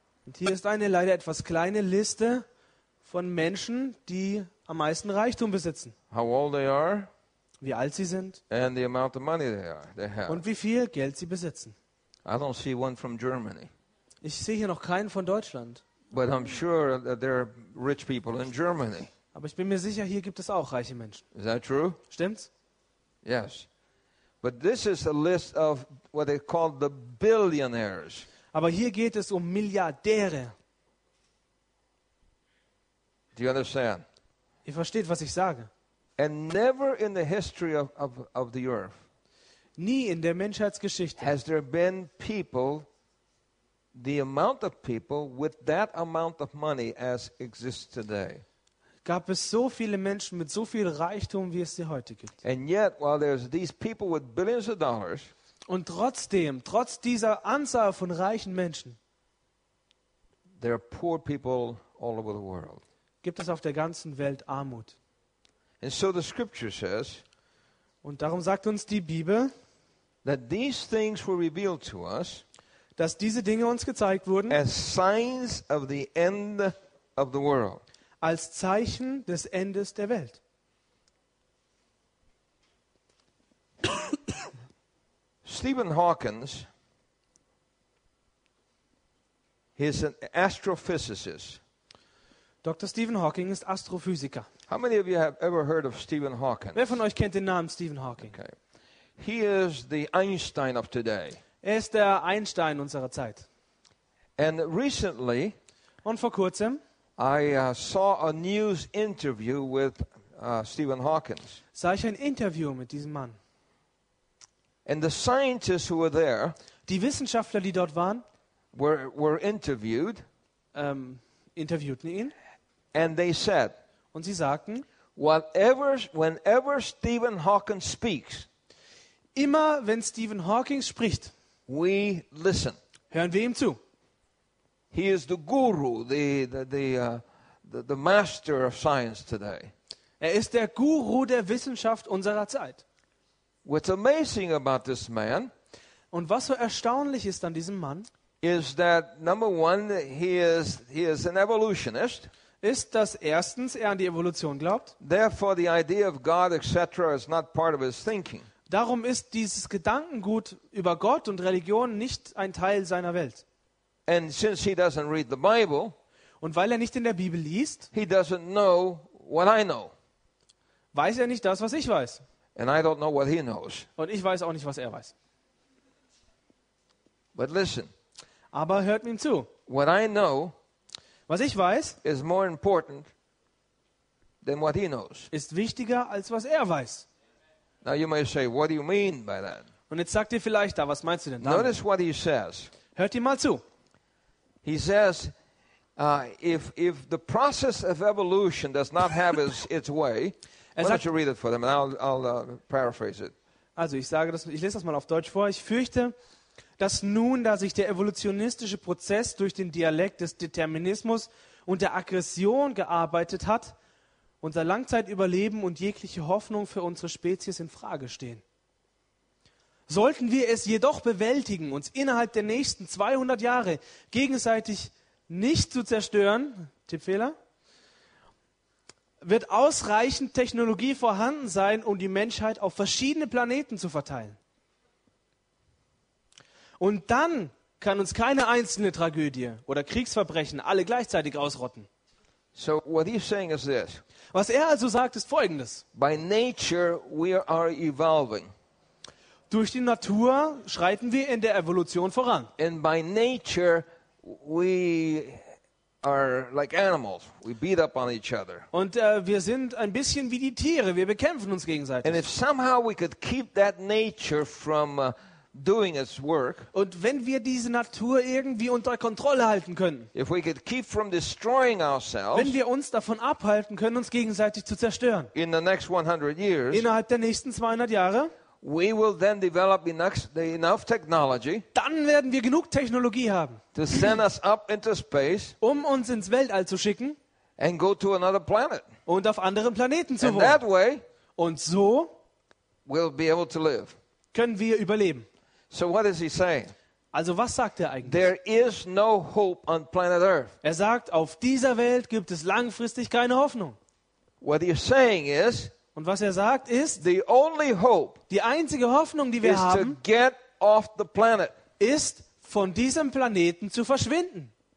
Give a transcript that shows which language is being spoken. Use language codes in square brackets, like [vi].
[de] Und hier ist eine leider etwas kleine Liste von Menschen, die am meisten Reichtum besitzen. [en] How old they are? [de] Wie alt sie sind? [en] And the amount of money they have. [de] Und wie viel Geld sie besitzen? [en] I don't see one from Germany. [de] Ich sehe hier noch keinen von Deutschland. [en] But I'm sure that there are rich people in Germany. [de] Aber ich bin mir sicher, hier gibt es auch reiche Menschen. [en] Is that true? [de] Stimmt's? [en] Yes. But this is a list of what they call the billionaires. [de] Aber hier geht es um Milliardäre. [en] Do you understand? [de] Ihr versteht, was ich sage. [en] And never in the history of the earth. [de] Nie in der Menschheitsgeschichte. [en] Has there been people, the amount of people with that amount of money as exists today? [de] Gab es so viele Menschen mit so viel Reichtum, wie es sie heute gibt. [en] And yet, while there's these people with billions of dollars, [de] und trotzdem, trotz dieser Anzahl von reichen Menschen, [en] there are poor people all over the world. [de] Gibt es auf der ganzen Welt Armut. [en] And so the scripture says, [de] und darum sagt uns die Bibel, [en] that these things were revealed to us, [de] dass diese Dinge uns gezeigt wurden, [en] as signs of the end of the world. [de] Als Zeichen des Endes der Welt. [en] Stephen Hawking, he is an astrophysicist. Dr. [de] Stephen Hawking ist Astrophysiker. [en] How many of you have ever heard of Stephen Hawking? [de] Wer von euch kennt den Namen Stephen Hawking? [en] Okay. He is the Einstein of today. [de] Er ist der Einstein unserer Zeit. [en] And recently, [de] und vor kurzem, [en] I saw a news interview with Stephen Hawking. [de] Sah ich ein Interview mit diesem Mann. [en] And the scientists who were there, [de] die Wissenschaftler, die dort waren, [en] were interviewed. [de] Interviewten ihn. [en] And they said, [de] und sie sagten, [en] whenever Stephen Hawking speaks, [de] immer wenn Stephen Hawking spricht, [en] we listen. [de] Hören wir ihm zu. [en] He is the guru, the master of science today. [de] Er ist der Guru der Wissenschaft unserer Zeit. [en] What's amazing about this man? [de] Und was so erstaunlich ist an diesem Mann? [en] Is that number one? He is an evolutionist. [de] Ist, dass erstens er an die Evolution glaubt. [en] Therefore, the idea of God, etc., is not part of his thinking. [de] Darum ist dieses Gedankengut über Gott und Religion nicht ein Teil seiner Welt. [en] And since he doesn't read the Bible, [de] und weil er nicht in der Bibel liest, [en] he doesn't know what I know. [de] Weiß er nicht das, was ich weiß. [en] And I don't know what he knows. [de] Und ich weiß auch nicht, was er weiß. [en] But listen. [de] Aber hört mir zu. [en] What I know, [de] was ich weiß, [en] is more important than what he knows. [de] Ist wichtiger als was er weiß. [en] Now you may say, what do you mean by that? [de] Und jetzt sagt ihr vielleicht, da, was meinst du denn damit? [en] Notice what he says. [de] Hört ihm mal zu. [en] He says, if the process of evolution does not have its way. Why don't you read it for them and I'll paraphrase it. [de] Also, ich lese das mal auf Deutsch vor. Ich fürchte, dass nun, da sich der evolutionistische Prozess durch den Dialekt des Determinismus und der Aggression gearbeitet hat, unser Langzeitüberleben und jegliche Hoffnung für unsere Spezies in Frage stehen. Sollten wir es jedoch bewältigen, uns innerhalb der nächsten 200 Jahre gegenseitig nicht zu zerstören, Tippfehler, wird ausreichend Technologie vorhanden sein, um die Menschheit auf verschiedene Planeten zu verteilen. Und dann kann uns keine einzelne Tragödie oder Kriegsverbrechen alle gleichzeitig ausrotten. [en] So what he's saying is this. [de] Was er also sagt, ist Folgendes. [en] By nature we are evolving. [de] Durch die Natur schreiten wir in der Evolution voran. [en] And by nature we are like animals. We beat up on each other. [de] Und wir sind ein bisschen wie die Tiere. Wir bekämpfen uns gegenseitig. [en] And if somehow we could keep that nature from doing its work. [de] Und wenn wir diese Natur irgendwie unter Kontrolle halten können, [en] if we could keep from destroying ourselves, [de] wenn wir uns davon abhalten können, uns gegenseitig zu zerstören, [en] in the next 100 years, [de] innerhalb der nächsten 200 Jahre, [en] we will then develop enough technology, [de] dann werden wir genug Technologie haben, [en] to send us up into space, [de] um uns ins Weltall zu schicken, [en] and go to another planet, [de] und auf anderen Planeten zu wohnen. [en] And that way, [de] und so [en] we'll be able to live. [de] Können wir überleben. [en] So what is he saying? [de] Also was sagt er eigentlich? [en] There is no hope on planet Earth. [de] Er sagt, auf dieser Welt gibt es langfristig keine Hoffnung. [en] What he's saying is, [de] und was er sagt ist, [en] the only hope, [de] die einzige Hoffnung, die wir [en] is [de] haben, [en] to get off the planet, [de] ist, von diesem Planeten zu verschwinden.